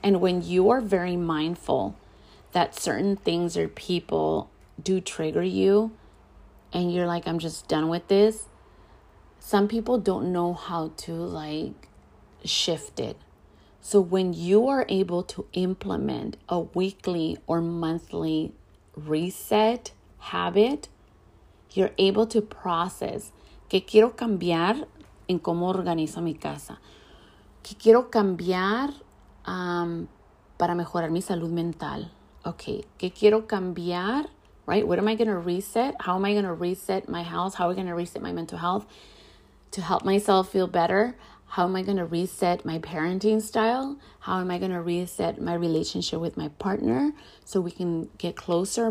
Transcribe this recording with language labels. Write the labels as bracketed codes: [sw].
[en] And when you are very mindful that certain things or people do trigger you, and you're like, I'm just done with this. Some people don't know how to like shift it. So when you are able to implement a weekly or monthly reset habit, you're able to process. [es] ¿Qué quiero cambiar en cómo organizo mi casa? ¿Qué quiero cambiar para mejorar mi salud mental? [en] Okay. [es] ¿Qué quiero cambiar? [en] Right? What am I going to reset? How am I going to reset my house? How am I going to reset my mental health to help myself feel better? How am I going to reset my parenting style? How am I going to reset my relationship with my partner so we can get closer?